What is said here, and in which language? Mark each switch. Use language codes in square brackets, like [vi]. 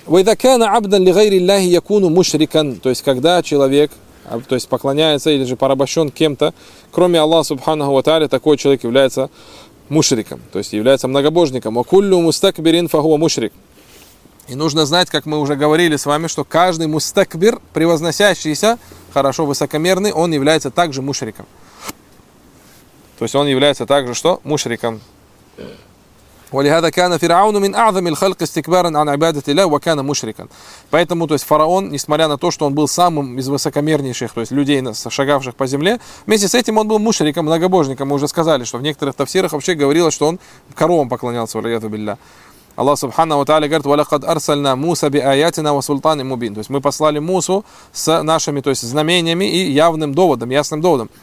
[ar] Вайдакена абдан ли гайри ляхи якуну мушрикан. [ru] То есть, когда человек, то есть поклоняется или же порабощен кем-то, кроме Аллаха Субханаху ва Тааля, такой человек является мушриком, то есть является многобожником. [ar] Вакуллю мустакбирин фахуа мушрик. [ru] И нужно знать, как мы уже говорили с вами, что каждый мустакбир, превозносящийся, хорошо высокомерный, он является также мушриком. То есть он является также что? Мушриком. [ar] ولهذا كان فرعون من أعظم الخلق استكبارا عن عبادة الله وكان مشركا. [ru] Поэтому, то есть фараон, несмотря на то, что он был самым из высокомернейших, то есть людей, шагавших по земле, вместе с этим он был мушриком, многобожником. Мы уже сказали, что в некоторых тафсирах вообще говорилось, что он коровам поклонялся, валяяту билля. Аллах Субхана ва Тааля говорит: [ar] "Валакад арсальна Муса би аятина ва султани мубин". [ru] То есть мы послали Мусу с нашими, то есть знамениями и явным доводом, ясным доводом.